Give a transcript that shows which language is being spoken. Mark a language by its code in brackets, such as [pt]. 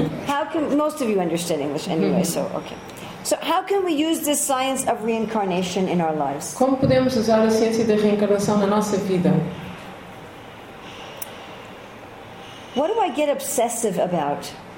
[en] How can most of you understand English anyway? So okay. So how can we use this science of reincarnation in our lives? [pt] Como podemos usar a ciência da reencarnação na nossa vida? [en] What do I get obsessive about?